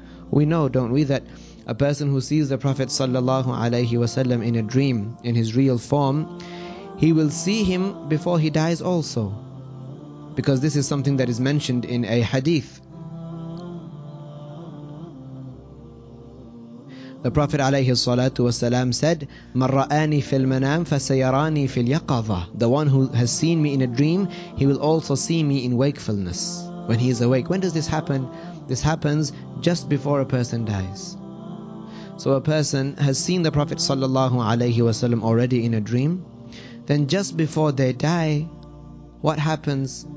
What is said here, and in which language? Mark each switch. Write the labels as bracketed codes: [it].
[en] We know, don't we, that a person who sees the Prophet sallallahu alayhi wasallam in a dream, in his real form, he will see him before he dies also. Because this is something that is mentioned in a hadith. The Prophet [ar] عليه الصلاة والسلام said, مَنْ رَآنِي فِي الْمَنَامِ فَسَيَرَانِي فِي الْيَقَظَةِ. [en] The one who has seen me in a dream, he will also see me in wakefulness, when he is awake. When does this happen? This happens just before a person dies. So a person has seen the Prophet sallallahu alaihi wasallam already in a dream. Then just before they die, what happens?